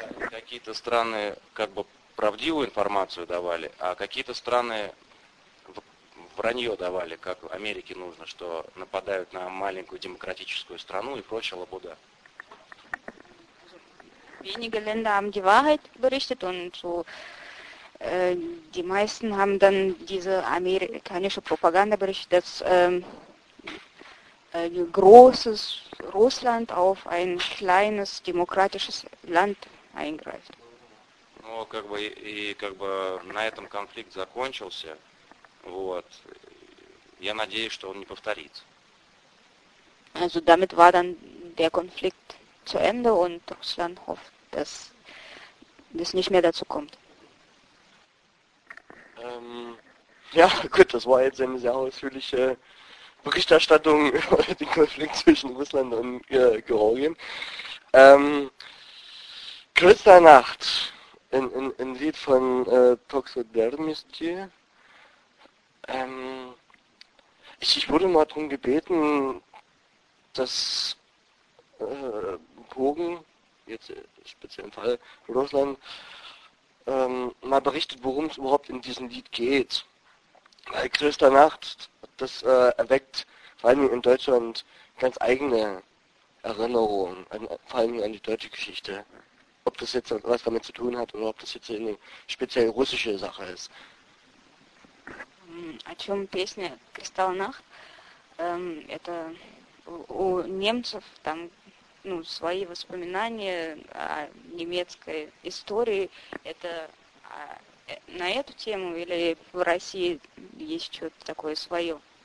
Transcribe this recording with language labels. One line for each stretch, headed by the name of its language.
Russian: Какие-то страны как бы правдивую информацию давали, а какие-то страны вранье давали, как Америке нужно, что нападают на маленькую демократическую страну и прочая лабуда.
German: Wenige Länder haben die Wahrheit berichtet und so die meisten haben dann diese amerikanische Propaganda berichtet, dass großes Russland auf ein kleines demokratisches Land eingreift.
Russian: Ну, как бы, и как бы на этом конфликт закончился, вот, я надеюсь, что он не повторится.
German: Also damit war dann der Konflikt zu Ende und Russland hofft, dass das nicht mehr dazu kommt. Ja, gut, das war jetzt eine sehr ausführliche Berichterstattung über den Konflikt zwischen Russland und Georgien. Kristallnacht, ein Lied von Toxodermisty. Ich wurde mal darum gebeten, das Bogen, jetzt speziell im Fall Russland, mal berichtet, worum es überhaupt in diesem Lied geht. Weil Kristallnacht, das erweckt vor allem in Deutschland ganz eigene Erinnerungen, vor allem an die deutsche Geschichte. Ob das jetzt was damit zu tun hat oder ob das jetzt eine speziell russische Sache ist.
Russian: О чем песня «Кристаллнахт»? Это у немцев там, ну, свои воспоминания о немецкой истории. Это на эту тему или в России есть что-то такое свое?